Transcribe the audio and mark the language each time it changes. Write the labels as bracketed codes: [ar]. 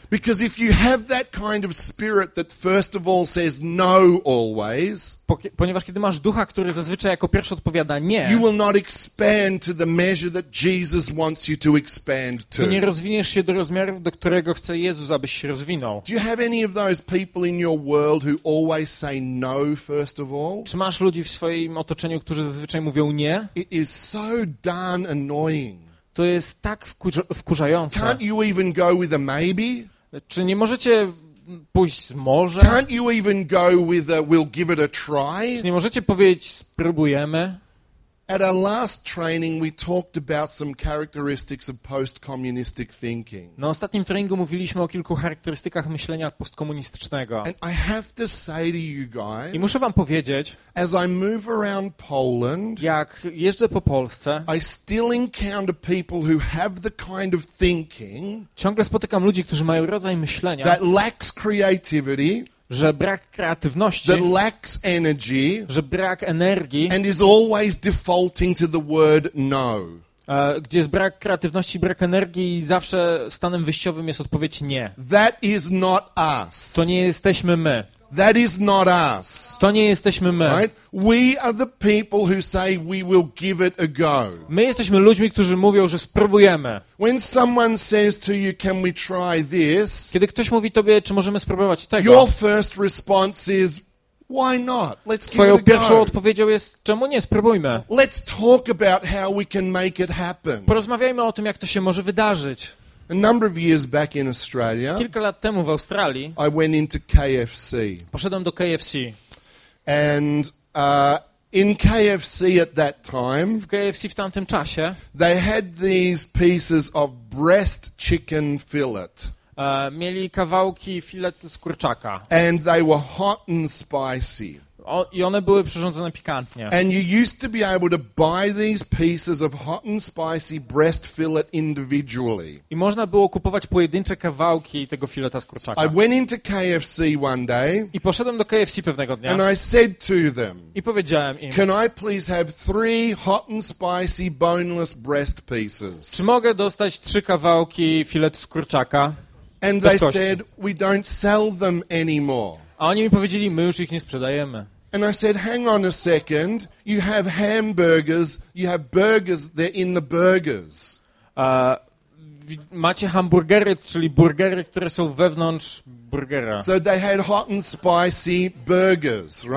[en] Because if you have that kind of spirit that first of all says no always, [pl] ponieważ kiedy masz ducha, który zazwyczaj jako pierwszy odpowiada nie, [en] you will not expand to the measure that Jesus wants you to expand to. [pl] Ty nie rozwiniesz się do rozmiaru, do którego chce Jezus, abyś się rozwinął. [en] Do you have any of those people in your world who always say no first of all? [pl] Czy masz ludzi w swoim otoczeniu, którzy zazwyczaj mówią nie? [en] It is so darn annoying. [pl] To jest tak wkurzające. [en] Can't you even go with a maybe? [pl] Czy nie możecie pójść z może? [en] Can't you even go with a we'll give it a try? [pl] Czy nie możecie powiedzieć spróbujemy? [en] At our last training we talked about some characteristics of post-communistic thinking. [pl] Na ostatnim treningu mówiliśmy o kilku charakterystykach myślenia postkomunistycznego. [en] And I have to say to you guys, [pl] i muszę wam powiedzieć, [en] as I move around Poland, [pl] jak jeżdżę po Polsce, [en] I still encounter people who have the kind of thinking, [pl] ciągle spotykam ludzi, którzy mają rodzaj myślenia, [en] that lacks creativity, [pl] że brak kreatywności, [en] that lacks energy, [pl] że brak energii, [en] and is always defaulting to the word no. [pl] Gdzie jest brak kreatywności, brak energii i zawsze stanem wyjściowym jest odpowiedź nie. [en] That is not us. [pl] To nie jesteśmy my. [en] That is not us. [pl] To nie jesteśmy my. [en] Right? We are the people who say we will give it a go. [pl] My jesteśmy ludźmi, którzy mówią, że spróbujemy. [en] When someone says to you, can we try this? [pl] Kiedy ktoś mówi tobie, czy możemy spróbować tego? [en] Your first response is why not? Let's give [pl] twoją [en] it a go. [pl] Pierwszą odpowiedzią jest, czemu nie, spróbujmy. [en] Let's talk about how we can make it happen. [pl] Porozmawiajmy o tym, jak to się może wydarzyć. [en] A number of years back in Australia, [pl] kilka lat temu w Australii, [en] I went into KFC. [pl] Poszedłem do KFC. [en] And in KFC at that time, [pl] w KFC w tamtym czasie, [en] they had these pieces of breast chicken fillet. [pl] Mieli kawałki filetu z kurczaka. [en] And they were hot and spicy. [pl] I one były przyrządzone pikantnie. [en] And you used to be able to buy these pieces of hot and spicy breast fillet individually. [pl] I można było kupować pojedyncze kawałki tego fileta z kurczaka. [en] I went into KFC one day. [pl] I poszedłem do KFC pewnego dnia. [en] And I said to them. [pl] I powiedziałem im. [en] Can I please have 3 hot and spicy boneless breast pieces? [pl] Czy mogę dostać 3 kawałki filetu z kurczaka? [en] And they said we don't sell them anymore. [pl] A oni mi powiedzieli, my już ich nie sprzedajemy. [en] And I said, hang on a second, you have hamburgers, you have burgers, they're in the burgers. [pl] macie hamburgery, czyli burgery, które są wewnątrz burgera. [en] So they had hot and spicy burgers, right?